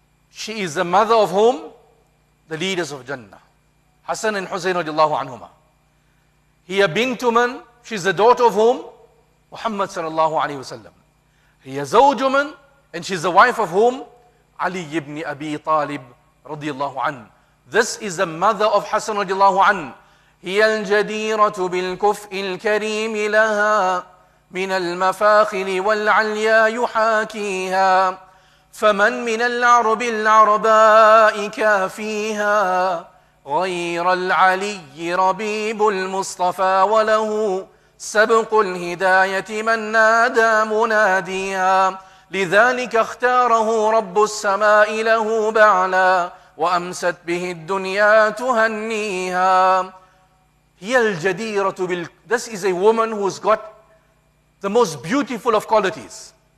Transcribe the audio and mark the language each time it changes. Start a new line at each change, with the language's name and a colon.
English: She is the mother of whom? The leaders of Jannah. Hassan and Hussein radiallahu anhuma.
Arabic: Hiya bintu man,
English: she's the daughter of whom? Muhammad sallallahu alayhi wa sallam. He is a zawjuman, and she's the wife of whom? Ali ibn Abi Talib radiyallahu an. This is the mother of Hassan radiyallahu an.
Arabic: هي الجديرة بالكفء الكريم لها من المفاخر والعليا يحاكيها فمن من العرب العرباء كافيها غير العلي ربيب المصطفى وله سبق الهداية من نادى مناديها لذلك اختاره رب السماء له بعلا وأمست به الدنيا تهنيها.
English: This is a woman who's got the most beautiful of qualities.